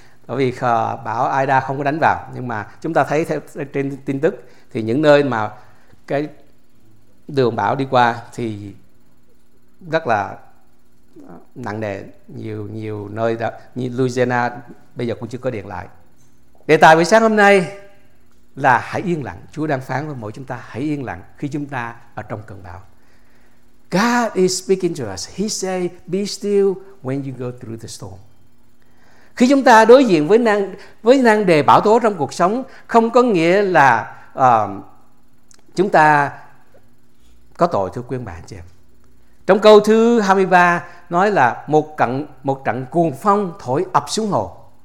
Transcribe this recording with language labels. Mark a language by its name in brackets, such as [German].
[Vietnamese] Bởi vì bão Ida không có đánh vào. Nhưng mà chúng ta thấy theo trên tin tức thì những nơi mà cái đường bão đi qua thì rất là nặng nề, nhiều nơi đó, như Louisiana bây giờ cũng chưa có điện lại. Đề tài buổi sáng hôm nay là hãy yên lặng. Chúa đang phán với mỗi chúng ta hãy yên lặng khi chúng ta ở trong cơn bão. [English] God is speaking to us. He say, be still when you go through the storm. [Vietnamese] Khi chúng ta đối diện với nan đề bão tố trong cuộc sống, không có nghĩa là chúng ta có tội, thưa quý ông bà anh chị em. Trong câu thứ 23 nói là một trận cuồng phong thổi ập xuống hồ.